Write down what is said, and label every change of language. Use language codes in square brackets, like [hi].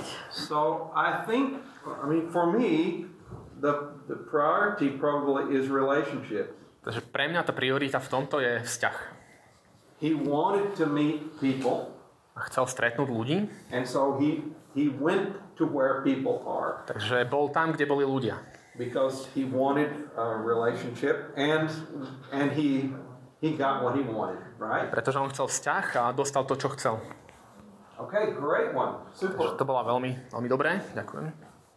[en] So I think, I mean, for me, the priority probably is relationship. [sk] Takže pre mňa tá priorita v tomto je vzťah. [en] He wanted to meet people. [sk] A chcel stretnúť ľudí. [en] And so he went to where people are. [sk] Takže bol tam, kde boli ľudia. [en] Because he wanted a relationship and he got what he wanted, right? [sk] Pretože on chcel vzťah a dostal to, čo chcel. [en] Okay, great one. Super. [sk] To bola veľmi, veľmi dobré. Ďakujem.